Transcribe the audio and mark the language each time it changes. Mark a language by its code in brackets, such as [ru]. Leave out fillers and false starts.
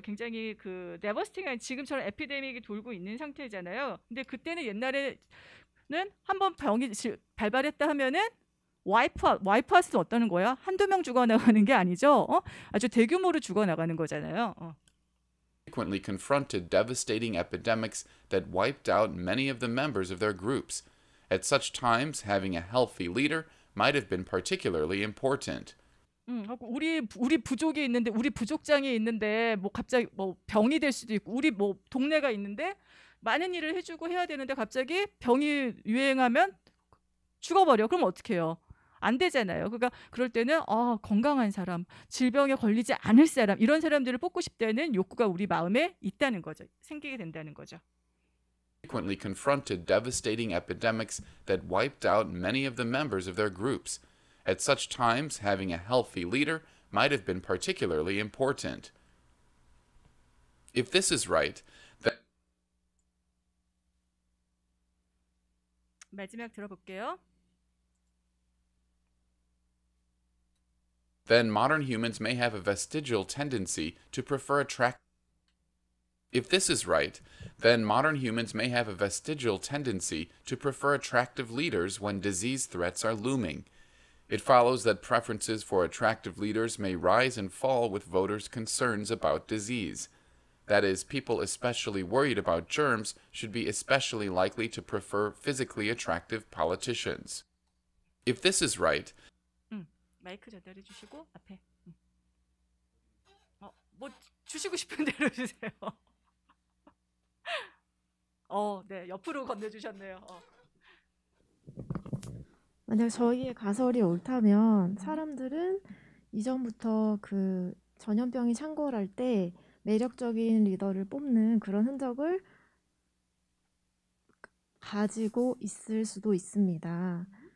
[ko] 굉장히 그 데버스팅한 지금처럼 에피데믹이 돌고 있는 상태잖아요. 근데 그때는 옛날에 는 한번 병이 발발했다 하면은 와이프할 수도 없다는 거야. 한두 명 죽어나가는 게 아니죠. 아주 대규모로 죽어나가는 거잖아요. [en] Frequently confronted devastating epidemics that wiped out many of the members of their groups. At such times, having a healthy leader might have been particularly important. [ko] 우리 부족이 있는데 우리 부족장이 있는데 뭐 갑자기 뭐 병이 될 수도 있고 우리 뭐 동네가 있는데 많은 일을 해주고 해야 되는데 갑자기 병이 유행하면 죽어버려. 그럼 어떻게 해요? 안 되잖아요. 그러니까 그럴 때는 건강한 사람, 질병에 걸리지 않을 사람 이런 사람들을 뽑고 싶다는 욕구가 우리 마음에 있다는 거죠. 생기게 된다는 거죠. [en] Frequently confronted devastating epidemics that wiped out many of the members of their groups. At such times, having a healthy leader might have been particularly important. If this is right, then... [ko] 마지막 들어볼게요. [en] Then modern humans may have a vestigial tendency to prefer attract... If this is right, then modern humans may have a vestigial tendency to prefer attractive leaders when disease threats are looming. It follows that preferences for attractive leaders may rise and fall with voters' concerns about disease. That is, people especially worried about germs should be especially likely to prefer physically attractive politicians. If this is right... [ko] 마이크 전달해 주시고 앞에 뭐 주시고 싶은 대로 주세요. 네, 옆으로 건네주셨네요. 만약 저희의 가설이 옳다면 사람들은 이전부터 그 전염병이 창궐할 때 매력적인 리더를 뽑는 그런 흔적을 가지고 있을 수도 있습니다.